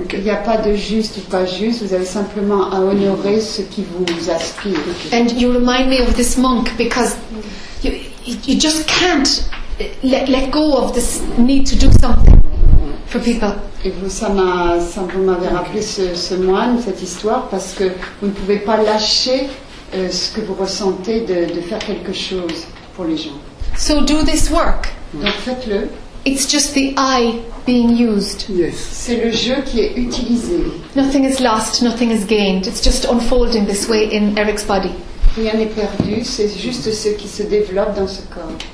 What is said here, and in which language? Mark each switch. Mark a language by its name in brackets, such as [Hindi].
[French] Il n'y a pas de juste ou pas juste. Vous avez simplement à honorer ce qui vous aspire. [English] And you remind me of this monk because you just can't let go of this need to do something for people. [French] Et vous, ça m'avait rappelé ce moine, cette histoire, parce que vous ne pouvez pas lâcher ce que vous ressentez de faire quelque chose pour les gens. [English] So do this work. [French] Donc faites-le. [English] It's just the I being used. Yes. [French] C'est le jeu qui est utilisé. [English] Nothing is lost, nothing is gained. It's just unfolding this way in Eric's body. [French] Rien n'est perdu, c'est juste ce qui se développe dans ce corps.